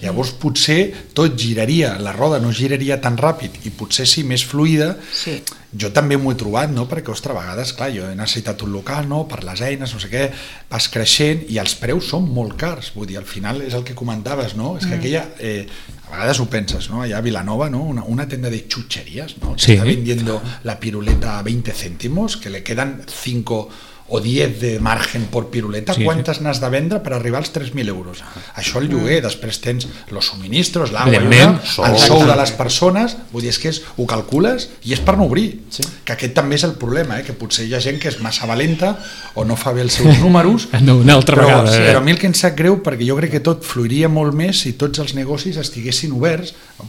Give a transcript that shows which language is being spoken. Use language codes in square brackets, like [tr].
[ca] Llavors potser tot giraria, la roda no giraria tan ràpid i potser sí més fluida. Sí. Jo també m'ho he trobat, no? Perquè, ostres, a vegades, clar, jo he necessitat un local, no? Per les eines, no sé què, vas creixent i els preus són molt cars. Vull dir, al final és el que comentaves, no? És que aquella... A vegades ho penses, no? Allà a Vilanova, no? Una tenda de xutxeries, no? Sí. [es] Està vendiendo la piruleta a 20 céntimos, que le quedan 5 o 10 de margen por piruleta. [ca] Sí, quantes, sí, n'has de vendre per arribar als 3.000 euros? Això el lloguer, després tens [es] los suministros, [ca] l'aigua, el sou de les persones, vull dir, és que és, ho calcules i és per no obrir. Sí. Que aquest també és el problema, que potser hi ha gent que és massa valenta o no fa bé els seus números. No, una altra però, vegada. Sí, però a mi el que em sap greu, perquè jo crec que tot fluiria molt més si tots els negocis estiguessin oberts, no?